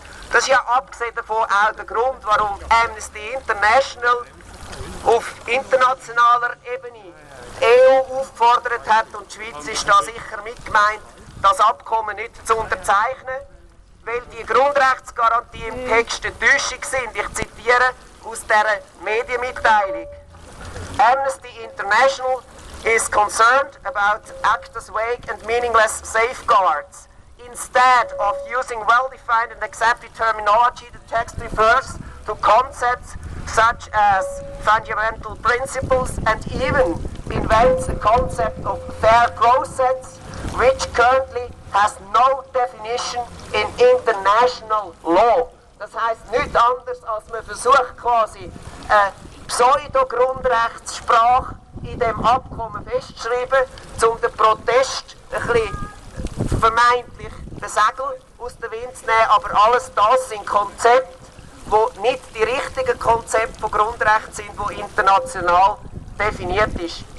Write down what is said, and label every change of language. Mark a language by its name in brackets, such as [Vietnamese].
[German] Das ist ja abgesehen davon auch der Grund, warum Amnesty International auf internationaler Ebene die EU aufgefordert hat und die Schweiz ist da sicher mitgemeint, das Abkommen nicht zu unterzeichnen, weil die Grundrechtsgarantie im Text eine Täuschung sind. Ich zitiere aus dieser Medienmitteilung. [English] Amnesty International is concerned about ACTA's vague and meaningless safeguards. Instead of using well-defined and accepted terminology, the text refers to concepts such as fundamental principles and even invents the concept of fair process, which currently has no definition in international law. [German] Das heißt nichts anderes, als man versucht quasi Pseudo-Grundrechtssprache in dem Abkommen festzuschreiben, um den Protest ein bisschen vermeintlich den Segel aus dem Wind zu nehmen, aber alles das sind Konzepte, die nicht die richtigen Konzepte von Grundrecht sind, die international definiert sind.